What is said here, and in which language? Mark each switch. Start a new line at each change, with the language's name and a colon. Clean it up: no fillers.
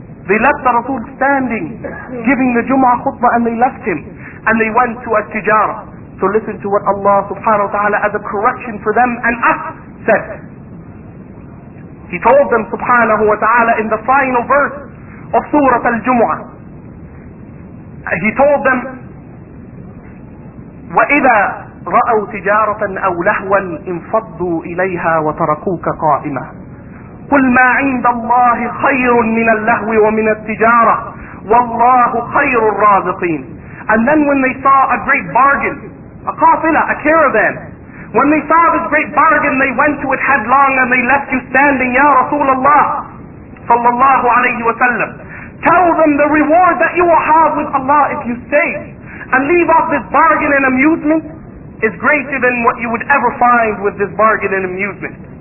English: They left the Rasul standing, giving the Jum'ah khutbah, and they left him. And they went to al-tijara. So listen to what Allah subhanahu wa ta'ala, as a correction for them and us, said. He told them subhanahu wa ta'ala in the final verse of Surah al-Jum'ah. He told them,
Arabic: وَإِذَا رَأَوْ تِجَارَةً أَوْ لَهْوًا انْفَضُّوا إِلَيْهَا وَتَرَكُوكَ قَائِمًا قُلْ مَا عِنْدَ اللَّهِ خَيْرٌ مِنَ اللَّهْوِ وَمِنَ التِّجَارَةِ وَاللَّهُ خَيْرُ الرَّازِقِينَ.
English: And then when they saw a great bargain, a qafila, a caravan, when they saw this great bargain, they went to it headlong and they left you standing, Ya Rasulullah sallallahu alayhi wa sallam. Tell them the reward that you will have with Allah if you stay and leave off this bargain and amusement is greater than what you would ever find with this bargain and amusement.